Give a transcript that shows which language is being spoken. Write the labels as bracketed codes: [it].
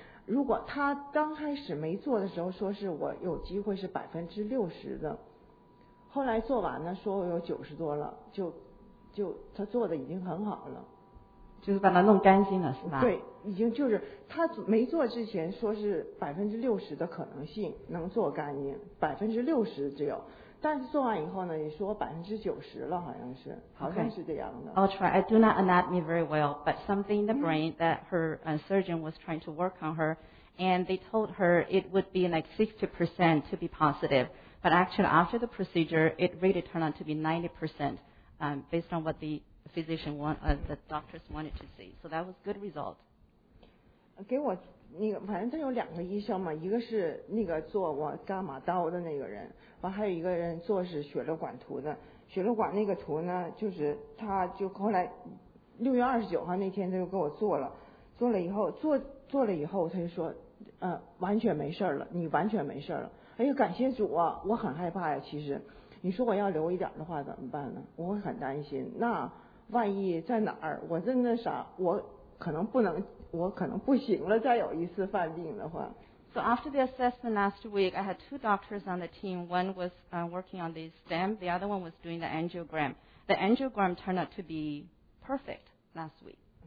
[zh] 如果他刚开始没做的时候说是我有机会是60%的，后来做完呢说我有90多了，就他做的已经很好了，就是把它弄干净了是吧？对，已经就是他没做之前说是60%的可能性能做干净，60%只有，但是做完以后呢也说90%了，好像是这样的。 [en] Okay. I'll try. I do not anatomy very well, but something in the brain that her surgeon was trying to work on her, and they told her it would be like 60% to be positive, but actually after the procedure it really turned out to be 90%. Based on what the physician want, the doctors wanted to see. So that was a good result. [zh] 给我那个，反正他有两个医生嘛，一个是那个做我伽马刀的那个人，完还有一个人做是血流管图的。血流管那个图呢，就是他就后来6月29号那天他就给我做了，做了以后做了以后他就说，完全没事了，你完全没事了。哎呀，感谢主啊，我很害怕呀，其实。你说我要留一点的话怎么办呢？我会很担心，那万一在哪儿，我真的啥，我可能不能我可能不行了，再有一次犯病的话。 [en] So after the assessment last week, I had two doctors on the team. One was working on the stem, the other one was doing the angiogram. The angiogram turned out to be perfect last week.